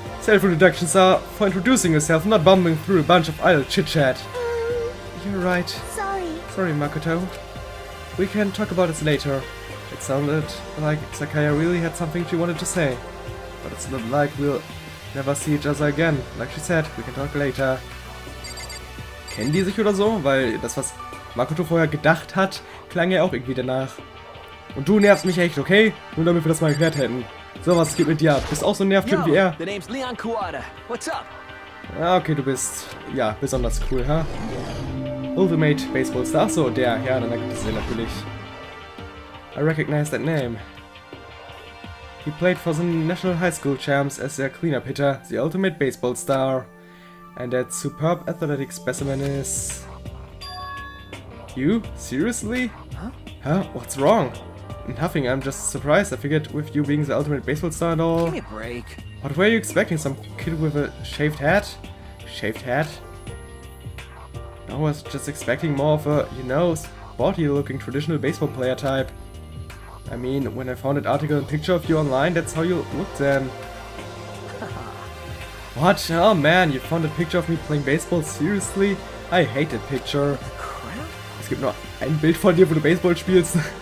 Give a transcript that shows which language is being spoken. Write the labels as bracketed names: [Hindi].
[English] Self-introductions are for introducing yourself, not bumbling through a bunch of idle chit-chat. You're right. Sorry, Makoto. We can talk about this later. It sounded like Sakaya really had something she wanted to say. But it's not like we'll never see each other again. Like she said, we can talk later. [German] Kennen die sich oder so? Weil das, was Makoto vorher gedacht hat, klang ja auch irgendwie danach. Und du nervst mich echt, okay? Nur damit wir das mal geklärt hätten. So, was geht mit dir ab? Bist auch so ein Nervtyp wie er? [English] Yo, the name's Leon Kuwata. What's up? [German] Ja, okay, du bist, ja, besonders cool, ha? Ultimate Baseball Star. Achso, der, ja, dann gibt es den natürlich. [English] I recognize that name. He played for the National High School Champs as their cleanup hitter, the Ultimate Baseball Star. And that superb athletic specimen is... You? Seriously? Huh? Huh? What's wrong? Nothing, I'm just surprised. I figured with you being the Ultimate Baseball Star and all... Give me a break. What were you expecting? Some kid with a shaved head? Shaved head? I was just expecting more of a, you know, sporty-looking traditional baseball player type. I mean, when I found an article and picture of you online, that's how you looked then. What? Oh man, you found a picture of me playing baseball? Seriously? I hate that picture. Crap? [German] Es gibt nur ein Bild von dir, wo du Baseball spielst.